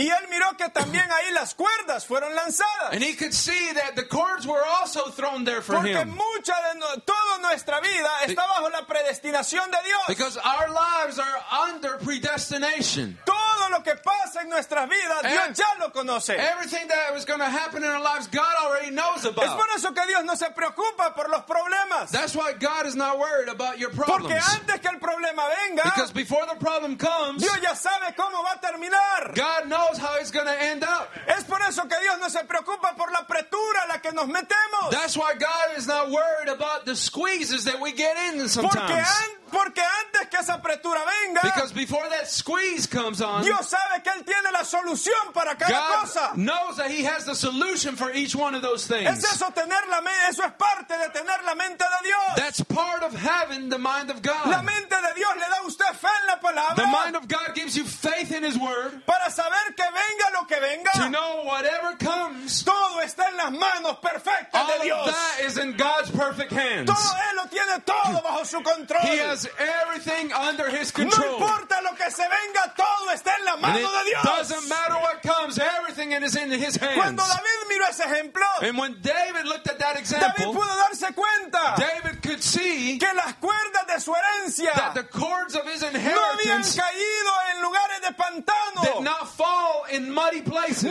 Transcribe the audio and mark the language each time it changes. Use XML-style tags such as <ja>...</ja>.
<es>Y él miró que también ahí las cuerdas fueron lanzadas.</es> <en>And he could see that the cords were also thrown there for</en> <es>Porque</es> <en>him.</en> <es>Porque mucha de toda nuestra vida está bajo la predestinación de Dios.</es> <en>Because our lives are under predestination.</en> <es>Todo lo que pasa en nuestras vidas, Dios ya lo conoce.</es> <en>Everything that was going to happen in our lives, God already knows about.</en> <es>Es por eso que Dios no se preocupa por los problemas.</es> <en>That's why God is not worried about your problems.</en> <es>Porque antes que el problema venga,</es> <en>because before the problem comes,</en> <es>Dios ya sabe cómo va a terminar.</es> <en>God knows how it's going to end up.</en> <es>Es por eso que Dios no se preocupa por la apretura a la que nos metemos.</es> <en>That's why God is not worried about the squeezes that we get in sometimes.</en> <es>Porque antes que esa apretura venga,</es> <en>because before that squeeze comes on,</en> <es>Dios sabe que él tiene la solución para cada</es> <en>God</en> <es>cosa.</es> <en>God knows that he has the solution for each one of those things.</en> <es>Es eso, tener la eso es parte de tener la mente de Dios.</es> <en>That's part of having the mind of God.</en> <es>La mente de Dios le da usted fe en la palabra.</es> <en>The mind of God gives you faith in his word.</en> <es>Para saber que venga lo que venga,</es> <en>to know whatever comes,</en> <es>todo está en las manos perfectas</es> <en>all</en> <es>de Dios.</es> <en>Of that is in God's perfect hands.</en> <es>Todo él lo tiene todo bajo su control.</es> <en>He has everything under his control.</en> <es>No importa lo que se venga, todo está en la mano de Dios.</es> <en>Doesn't matter what comes, everything is in his hands.</en> <es>Cuando David miró ese ejemplo,</es> <en>and when David looked at that example,</en> <es>David pudo darse cuenta,</es> <en>David could see</en> <es>que las cuerdas de su herencia,</es> <en>that the cords of his inheritance,</en> <es>no habían caído en lugares de pantano,</es> <en>did not fall in muddy places,</en>